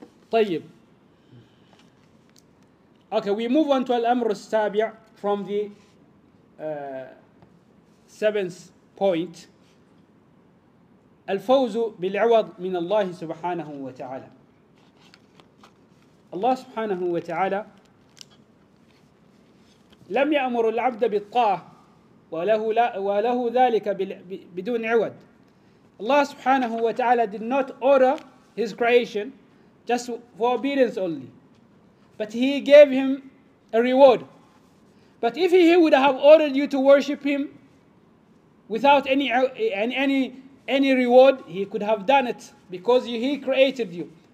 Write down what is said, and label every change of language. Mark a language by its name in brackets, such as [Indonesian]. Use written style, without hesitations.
[Arabic] طيب. [English] Okay, we move on to Al-Amr al-Sabi' from the seventh point. [Arabic] الفوز بالعوض من الله سبحانه وتعالى. الله سبحانه وتعالى لم يأمر العبد بالطاعة وله ذلك بدون عوض. الله سبحانه وتعالى [English] did not order his creation just for obedience only, but he gave him a reward. But if he would have ordered you to worship him without any reward, he could have done it because he created you.